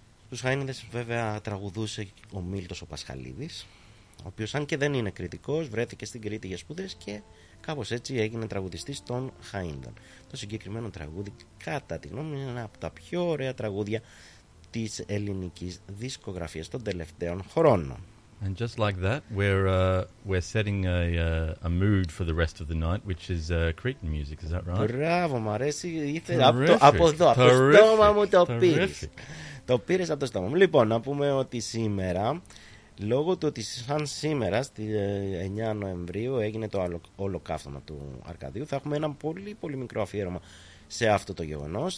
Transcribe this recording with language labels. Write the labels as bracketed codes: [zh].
[el] Τους Χαΐνιδες βέβαια τραγουδούσε ο Μίλτος ο Πασχαλίδης, ο οποίος αν και δεν είναι κριτικός, βρέθηκε στην Κρήτη για σπουδές και κάπως έτσι έγινε τραγουδιστής των Χαΐνιδων. Το συγκεκριμένο τραγούδι, κατά τη γνώμη μου, είναι ένα από τα πιο ωραία τραγούδια της ελληνικής δισκογραφίας των τελευταίων χρόνων. [en] And just like that, we're setting a mood for the rest of the night, which is Cretan music, is that right? [el] Μπράβο, μου αρέσει. Ήθελα από εδώ, από το στόμα μου το πήρες. Το πήρες από το στόμα μου. Λοιπόν, να πούμε ότι σήμερα, λόγω του ότι σαν σήμερα, στις 9 Νοεμβρίου, έγινε το ολοκαύτωμα του Αρκαδίου, θα έχουμε ένα πολύ πολύ μικρό αφιέρωμα σε αυτό το γεγονός.